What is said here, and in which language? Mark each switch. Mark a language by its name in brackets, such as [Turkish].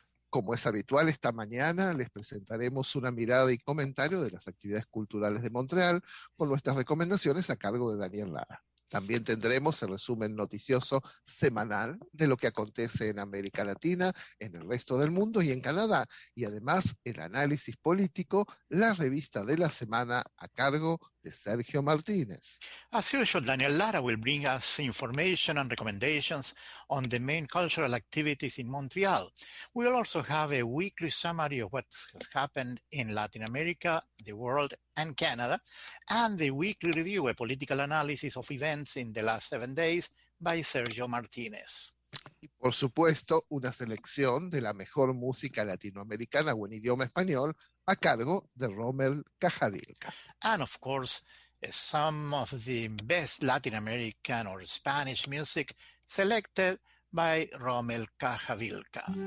[Spanish] Como es habitual, esta mañana les presentaremos una mirada y comentario de las actividades culturales de Montreal con nuestras recomendaciones a cargo de Daniel Lara. También tendremos el resumen noticioso semanal de lo que acontece en América Latina, en el resto del mundo y en Canadá. Y además, el análisis político, la revista de la semana a cargo de Sergio Martínez. [English] As usual, Daniel Lara will bring us information and recommendations on the main cultural activities in Montreal. We will also have a weekly summary of what has happened in Latin America, the world, and Canada, and the weekly review, a political analysis of events in the last 7 days, by Sergio Martínez. [Spanish] Y por supuesto, una selección de la mejor música latinoamericana o en idioma español a cargo de Rommel Cajadilca. [English] And of course, some of the best Latin American or Spanish music selected by Rommel Cajavilca.